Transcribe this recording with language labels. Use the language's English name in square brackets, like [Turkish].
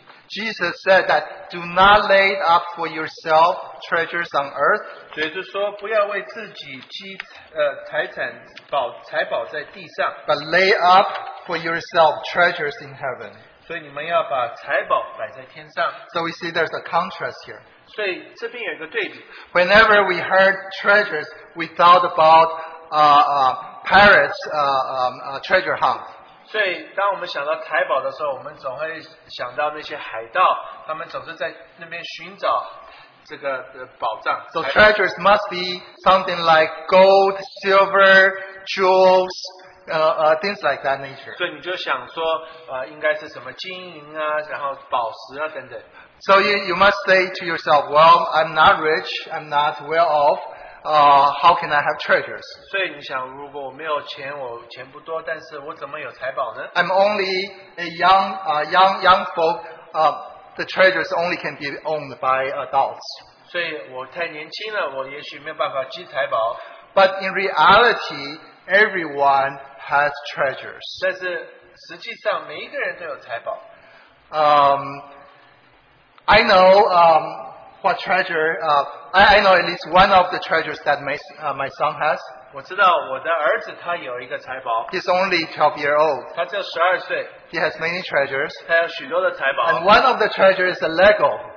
[English] Jesus said that do not lay up for yourself treasures on earth. [Chinese] 所以就说不要为自己积财产保财宝在地上, [English] but lay up for yourself treasures in heaven. [Chinese] 所以你们要把财宝摆在天上. [English] So we see there's a contrast here. [Chinese] 所以这边有一个对比. [English] Whenever we heard treasures, we thought about pirates, treasure hunt. [Chinese] 所以当我们想到财宝的时候，我们总会想到那些海盗，他们总是在那边寻找这个宝藏。 [English] So treasures must be something like gold, silver, jewels, things like that nature. [Chinese] 所以你就想说，应该是什么金银啊，然后宝石啊等等。 [English] So you must say to yourself, well, I'm not rich, I'm not well off. How can I have treasures? [Chinese] 所以你想，如果我没有钱，我钱不多，但是我怎么有财宝呢？ [English] I'm only a young folk. The treasures only can be owned by adults. [Chinese] 所以我太年轻了，我也许没有办法积财宝。 [English] But in reality, everyone has treasures. [Chinese] 但是实际上，每一个人都有财宝。 [English] I know what treasure. I know at least one of the treasures that my son has. He's only 12 years old. He has many treasures. And one of the treasures is a Lego.